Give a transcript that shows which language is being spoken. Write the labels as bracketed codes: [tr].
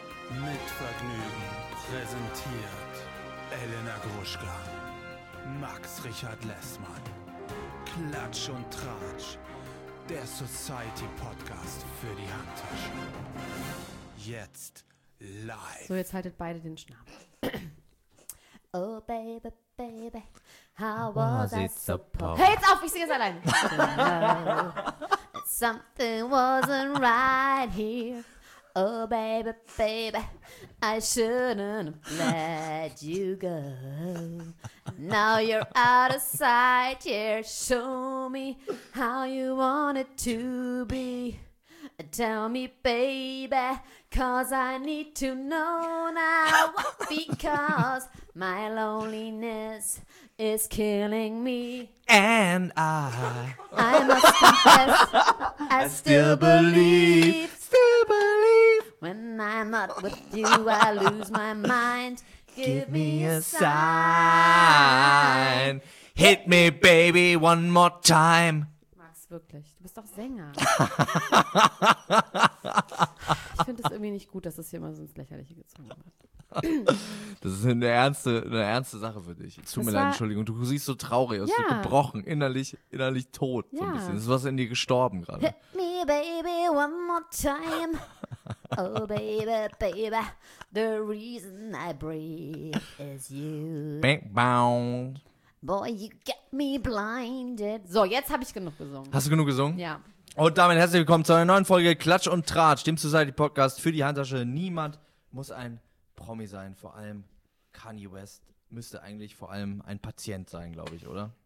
[de] Mit Vergnügen präsentiert Elena Gruschka, Max Richard Lessmann, Klatsch und Tratsch, der Society-Podcast für die Handtasche. Jetzt live. So, jetzt haltet beide den Schnabel. [en] Oh, baby, baby, how was it supposed? [de] Hey, jetzt auf, ich singe es allein. [en] Something wasn't right here. Oh, baby, baby, I shouldn't have let you go. Now you're out of sight, yeah. Show me how you want it to be. Tell me, baby, 'cause I need to know now. Because my loneliness is killing me. And I must confess, I still believe. When I'm not with you, I lose my mind. Give me a sign. Hit me, baby, one more time. [de] Wirklich. Du bist doch Sänger. Ich finde es irgendwie nicht gut, dass das hier immer so ins Lächerliche gezogen wird. Das ist eine ernste Sache für dich. Entschuldigung. Du siehst so traurig aus, ja. So gebrochen, innerlich tot. Ja. So ein bisschen. Das ist was in dir gestorben gerade. [en] Hit me, baby, one more time. Oh, baby, baby. The reason I breathe is you. Bang, bang. Boy, you get me blinded. [de] So, jetzt habe ich genug gesungen. Hast du genug gesungen? Ja. Und damit herzlich willkommen zu einer neuen Folge Klatsch und Tratsch, dem Society-Podcast für die Handtasche. Niemand muss ein Promi sein, vor allem Kanye West müsste eigentlich vor allem ein Patient sein, glaube ich, oder?